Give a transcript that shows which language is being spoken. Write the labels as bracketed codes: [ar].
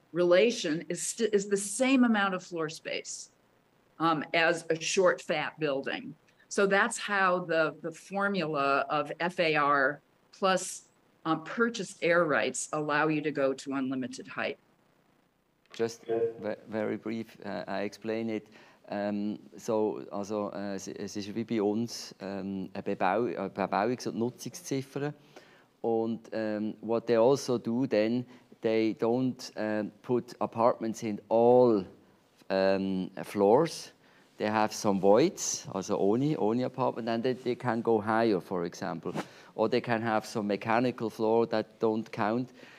[en] relation is the same amount of floor space as a short fat building. So that's how the formula of FAR plus purchased air rights allow you to go to unlimited height. Just very brief, I explain it. [de] Also, es ist wie bei uns eine Bebauungs- und Nutzungsziffer. [en] Und what they also do then, they don't put apartments in all floors. They have some voids, also only apartment, and they can go higher, for example. Or they can have some mechanical floor that don't count.